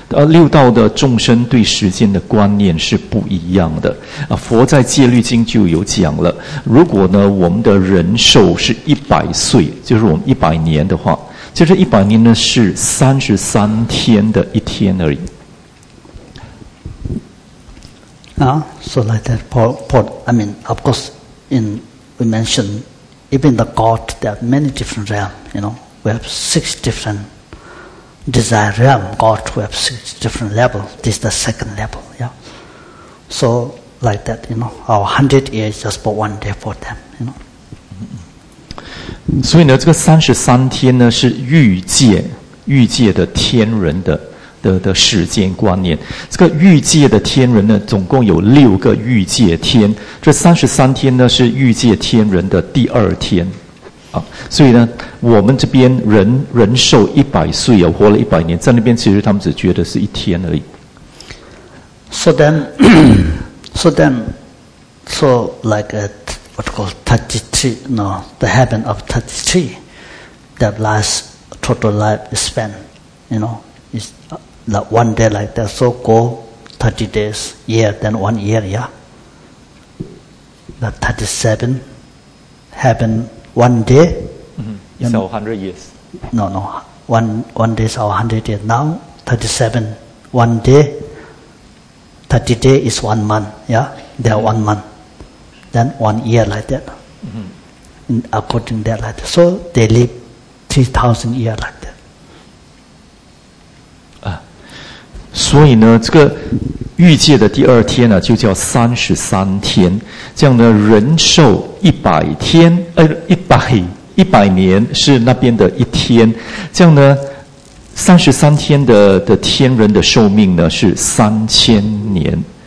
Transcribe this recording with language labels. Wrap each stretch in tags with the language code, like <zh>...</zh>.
<zh>六道的众生对时间的观念是不一样的。佛在戒律经就有讲了，如果呢我们的人寿是100岁，就是我们100年的话，就是100年呢是33天的一天而已。</zh> <en>So like that, I mean, of course, in. We mentioned even the God, there are many different realms, you know. We have 6 different desire realms. God, we have 6 different levels. This is the second level, yeah. So, like that, you know, our 100 years is just for one day for them, you know.</en> <zh>所以呢，这个三十三天呢，是欲界的天人的时间观念，这个欲界的天人呢，总共有6个欲界天。这33天呢，是欲界天人的第二天，啊，所以呢，我们这边人寿100岁啊，活了100年，在那边其实他们只觉得是一天而已。</zh> <en>So like at what called 33, no, the heaven of 33, that last total life span, you know, is. Like one day like that, so go 30 days, year, then 1 year, yeah. The 37, heaven, one day. Mm-hmm. It's 100 years. No. One day is our 100 years. Now, 37, one day, 30 days is 1 month, yeah. There are 1 month. Then 1 year like that. Mm-hmm. According to that like that. So they live 3,000 years like that.</en> <zh>所以呢，这个欲界的第二天呢、啊，就叫三十三天。这样呢，人寿一百年是那边的一天。这样呢，三十三天的天人的寿命呢是三千年。</zh>